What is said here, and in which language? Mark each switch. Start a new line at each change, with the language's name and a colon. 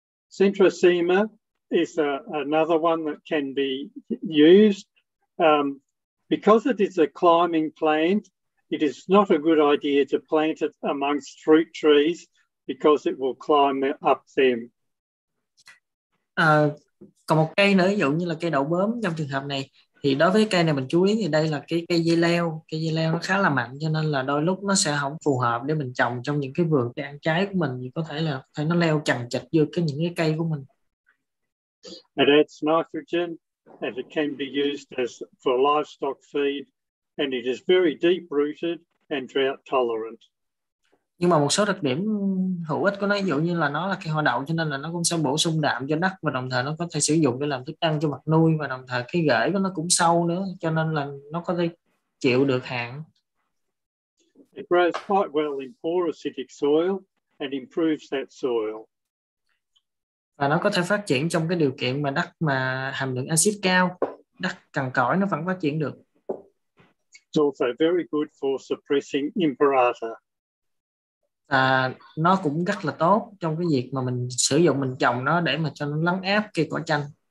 English: Centrosema is another one that can be used because it is a climbing plant. It is not a good idea to plant it amongst fruit trees because it will climb up them.
Vietnamese: Còn một cây nữa, ví dụ như là cây đậu bớm trong trường hợp này, thì đối với cây này mình chú ý thì đây là cây dây leo nó khá là mạnh, cho nên là đôi lúc nó sẽ không phù hợp để mình trồng trong những cái vườn cây ăn trái của mình, thì có thể nó leo chằng chịt vô cái những cái cây của mình.
English: It adds nitrogen and it can be used as for livestock feed. And it is very deep rooted and drought tolerant.
Vietnamese: Nhưng mà một số đặc điểm hữu ích của nó, ví dụ như là nó là cây hoa đậu, cho nên là nó cũng sẽ bổ sung đạm cho đất và đồng thời nó có thể sử dụng để làm thức ăn cho vật nuôi, và đồng thời cái rễ của nó cũng sâu nữa, cho nên là nó có thể chịu được hạn.
English: It grows quite well in poor acidic soil and improves that soil.
Vietnamese: Và nó có thể phát triển trong cái điều kiện mà đất mà hàm lượng axit cao, đất cằn cỗi nó vẫn phát triển được.
English: It's also very good for suppressing imperata.
Vietnamese: Nó cũng rất là tốt trong cái việc mà mình sử dụng, mình trồng nó để mà cho nó lấn áp cây cỏ chanh.